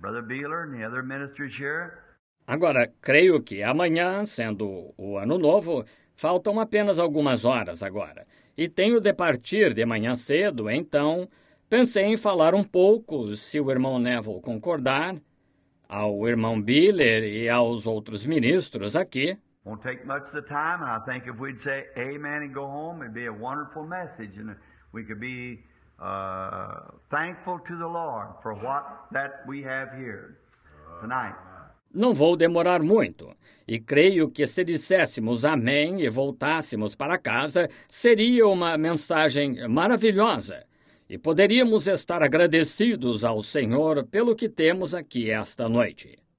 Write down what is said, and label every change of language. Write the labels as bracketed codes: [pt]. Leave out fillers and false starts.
[en] Brother Beeler, and the other ministers here. [pt] Agora, creio que amanhã, sendo o Ano Novo, faltam apenas algumas horas agora, e tenho de partir de manhã cedo, então pensei em falar um pouco, se o irmão Neville concordar, ao irmão Beeler e aos outros ministros aqui. [en] Won't take much of the time, and I think if we'd say amen and go home, it'd be a wonderful message, and we could be thankful to the Lord for what that we have here tonight. [pt] Não vou demorar muito. E creio que se disséssemos amém e voltássemos para casa, seria uma mensagem maravilhosa. E poderíamos estar agradecidos ao Senhor pelo que temos aqui esta noite.